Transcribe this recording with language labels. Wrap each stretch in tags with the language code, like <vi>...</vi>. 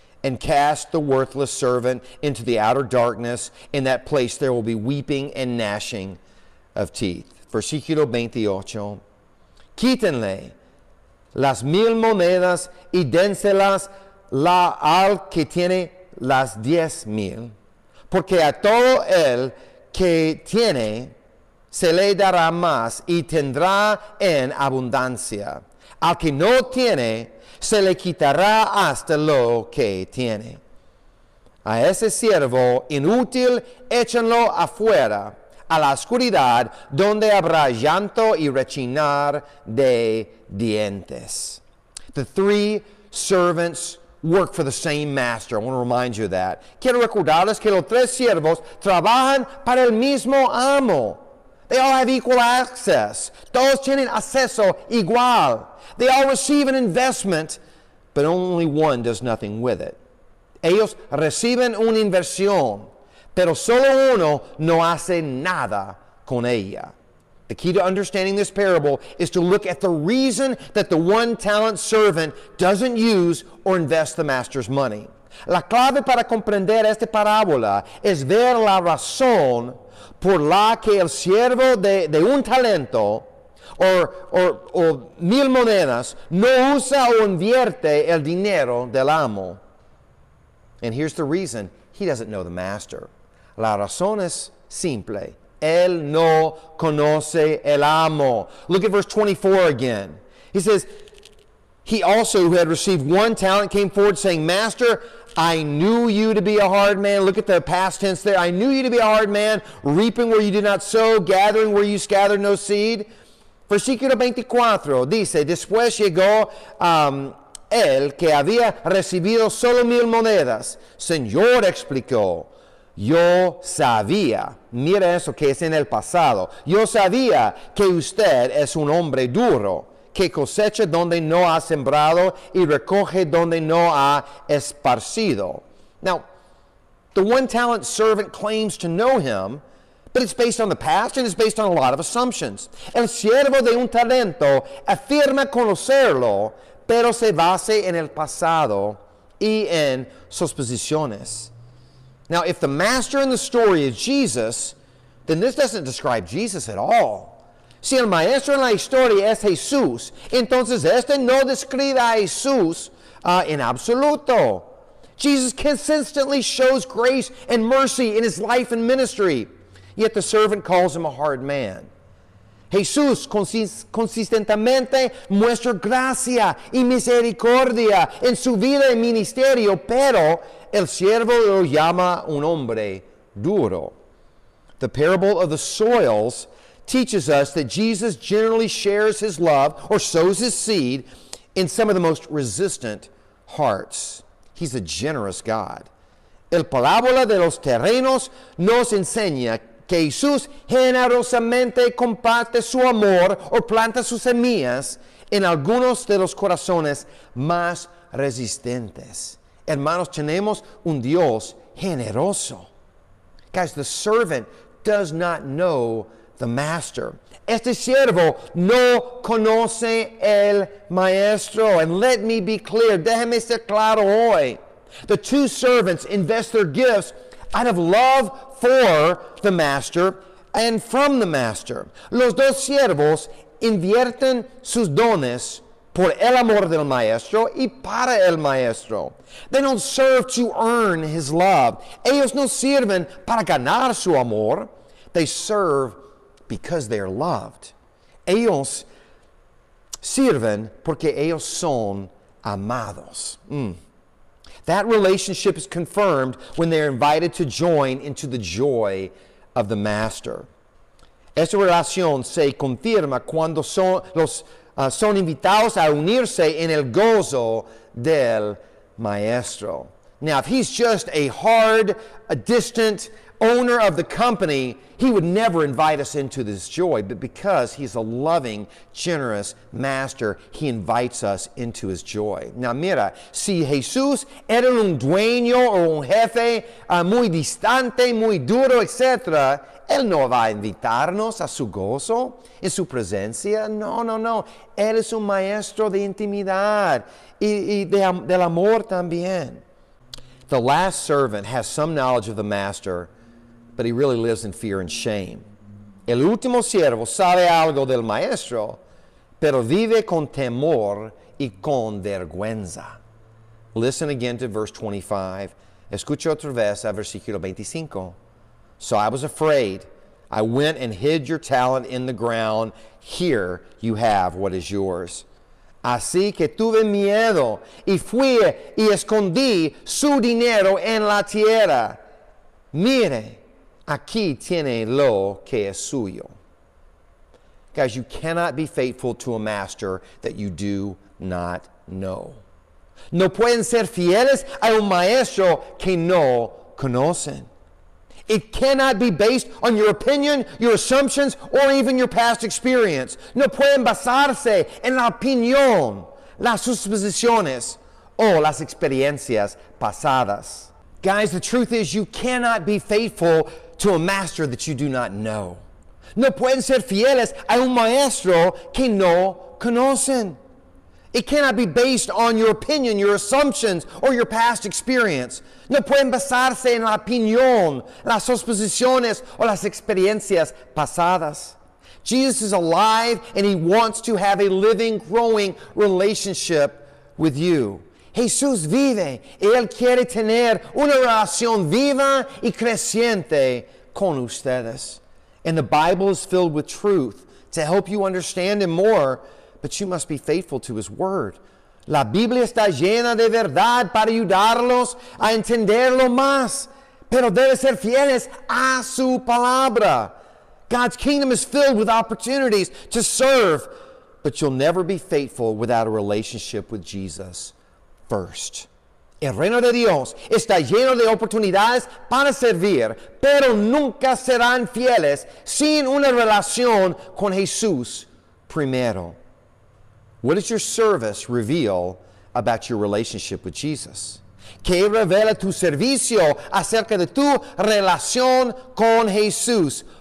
<en>And cast the worthless servant into the outer darkness. In that place there will be weeping and gnashing of teeth.</en> <es>Versículo 28. Quítenle las 1,000 monedas y dénselas al que tiene las 10,000. Porque a todo el que tiene se le dará más y tendrá en abundancia. Al que no tiene, se le quitará hasta lo que tiene. A ese siervo inútil, échenlo afuera, a la oscuridad, donde habrá llanto y rechinar de dientes.</es> <en>The three servants work for the same master. I want to remind you of that.</en> <es>Quiero recordarles que los tres siervos trabajan para el mismo amo.</es> <en>They all have equal access.</en> <es>Todos tienen acceso igual.</es> <en>They all receive an investment, but only one does nothing with it.</en> <es>Ellos reciben una inversión, pero solo uno no hace nada con ella.</es> <en>The key to understanding this parable is to look at the reason that the one talent servant doesn't use or invest the master's money.</en> <es>La clave para comprender esta parábola es ver la razón por la que el siervo de un talento o 1,000 monedas no usa o invierte el dinero del amo.</es> <en>And here's the reason. He doesn't know the master.</en> <es>La razón es simple. Él no conoce el amo.</es> <en>Look at verse 24 again. He says, He also who had received one talent came forward saying, Master, I knew you to be a hard man. Look at the past tense there. I knew you to be a hard man, reaping where you did not sow, gathering where you scattered no seed.</en> <es>Versículo 24 dice, Después llegó el que había recibido solo 1,000 monedas. Señor explicó, Yo sabía, mira eso que es en el pasado. Yo sabía que usted es un hombre duro. Que cosecha donde no ha sembrado y recoge donde no ha esparcido.</es> <en>Now, the one talent servant claims to know him, but it's based on the past and it's based on a lot of assumptions.</en> <es>El siervo de un talento afirma conocerlo, pero se base en el pasado y en sus posiciones.</es> <en>Now, if the master in the story is Jesus, then this doesn't describe Jesus at all.</en> <es>Si el maestro en la historia es Jesús, entonces este no describe a Jesús en absoluto.</es> <en>Jesus consistently shows grace and mercy in his life and ministry, yet the servant calls him a hard man.</en> <es>Jesús consistentemente muestra gracia y misericordia en su vida y ministerio, pero el siervo lo llama un hombre duro.</es> <en>The parable of the soils teaches us that Jesus generally shares his love or sows his seed in some of the most resistant hearts. He's a generous God.</en> <es>El parábola de los terrenos nos enseña que Jesús generosamente comparte su amor o planta sus semillas en algunos de los corazones más resistentes. Hermanos, tenemos un Dios generoso.</es> <en>Guys, the servant does not know the master.</en> <es>Este siervo no conoce el maestro.</es> <en>And let me be clear,</en> <es>déjeme ser claro hoy.</es> <en>The two servants invest their gifts out of love for the master and from the master.</en> <es>Los dos siervos invierten sus dones por el amor del maestro y para el maestro.</es> <en>They don't serve to earn his love.</en> <es>Ellos no sirven para ganar su amor.</es> <en>They serve because they are loved.</en> <es>Ellos sirven porque ellos son amados.</es> <en>That relationship is confirmed when they are invited to join into the joy of the master.</en> <es>Esa relación se confirma cuando son invitados a unirse en el gozo del maestro.</es> <en>Now, if he's just a distant owner of the company, he would never invite us into this joy. But because he's a loving, generous master, he invites us into his joy.</en> <es>Now, mira, si Jesús era un dueño o un jefe muy distante, muy duro, etc., él no va a invitarnos a su gozo, en su presencia. No, no, no. Él es un maestro de intimidad y del amor también.</es> <en>The last servant has some knowledge of the master, but he really lives in fear and shame.</en> <es>El último siervo sabe algo del maestro, pero vive con temor y con vergüenza.</es> <en>Listen again to verse 25.</en> <es>Escucha otra vez a versículo 25.</es> <en>So I was afraid. I went and hid your talent in the ground. Here you have what is yours.</en> <es>Así que tuve miedo y fui y escondí su dinero en la tierra. Mire, aquí tiene lo que es suyo.</es> <en>Guys, you cannot be faithful to a master that you do not know.</en> <es>No pueden ser fieles a un maestro que no conocen.</es> <en>It cannot be based on your opinion, your assumptions, or even your past experience.</en> <es>No pueden basarse en la opinión, las suposiciones, o las experiencias pasadas.</es> <en>Guys, the truth is you cannot be faithful to a master that you do not know.</en> <es>No pueden ser fieles a un maestro que no conocen.</es> <en>It cannot be based on your opinion, your assumptions, or your past experience.</en> <es>No pueden basarse en la opinión, las suposiciones, o las experiencias pasadas.</es> <en>Jesus is alive and he wants to have a living, growing relationship with you.</en> <es>Jesús vive y él quiere tener una relación viva y creciente con ustedes.</es> <en>And the Bible is filled with truth to help you understand him more, but you must be faithful to his word.</en> <es>La Biblia está llena de verdad para ayudarlos a entenderlo más, pero deben ser fieles a su palabra.</es> <en>God's kingdom is filled with opportunities to serve, but you'll never be faithful without a relationship with Jesus first.</en> <es>El reino de Dios está lleno de oportunidades para servir, pero nunca serán fieles sin una relación con Jesús primero.</es> <en>What does your service reveal about your relationship with Jesus?</en> <es>¿Qué revela tu servicio acerca de tu relación con Jesús?</es>